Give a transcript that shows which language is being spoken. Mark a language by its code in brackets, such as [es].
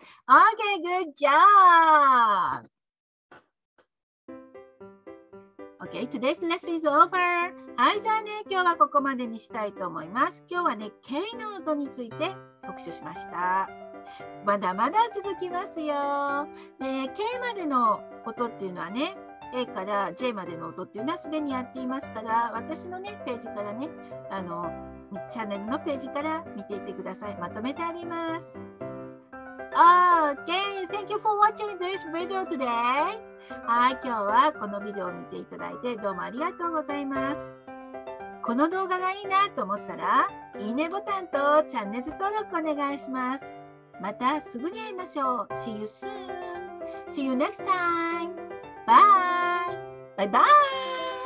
[en] Okay, good job! Okay, today's lesson is over. [ja] はい、じゃあね、今日はここまでにしたいと思います。今日はね、敬意の音について特集しました。まだまだ続きますよ。K までの音っていうのはね、A から J までの音っていうのはすでにやっていますから、私のね、ページからね、チャンネルのページから見ていってください。まとめてあります。 [en] Okay, thank you for watching this video today. [ja] はい、今日はこのビデオを見ていただいてどうもありがとうございます。この動画がいいなと思ったら、いいねボタンとチャンネル登録お願いします。またすぐに会いましょう。 [en] See you soon. See you next time. Bye. Bye bye.